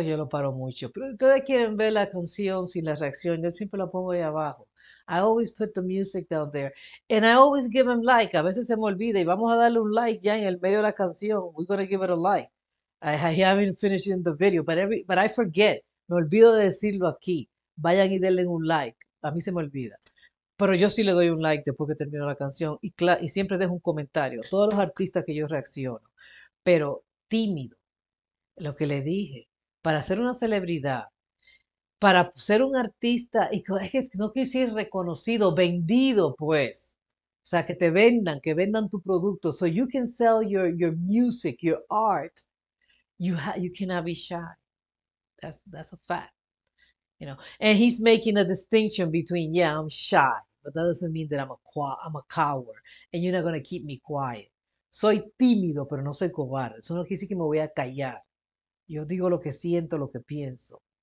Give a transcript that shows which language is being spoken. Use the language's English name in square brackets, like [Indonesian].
[Spanish] Paro mucho, pero ustedes quieren ver la canción sin la reacción. Yo siempre la pongo ahí abajo. [English] I always put the music down there and I always give them like. [Spanish] A veces se me olvida y vamos a darle un like ya en el medio de la canción. [English] We're gonna give it a like. I haven't finished in the video, but I forget. [Spanish] Me olvido de decirlo aquí. Vayan y denle un like. A mí se me olvida, pero yo sí le doy un like después que termino la canción y siempre dejo un comentario. Todos los artistas que yo reacciono, pero tímido, lo que le dije. Para ser una celebridad, para ser un artista, y es que no quise ir reconocido, vendido, pues. O sea, que vendan tu producto. [English] So you can sell your music, your art. You cannot be shy. That's a fact. You know? And he's making a distinction between, yeah, I'm shy, but that doesn't mean that I'm a coward, and you're not going to keep me quiet. [Spanish] Soy tímido, pero no soy cobarde. Eso no quiere decir que me voy a callar. Yo digo lo que siento, lo que pienso.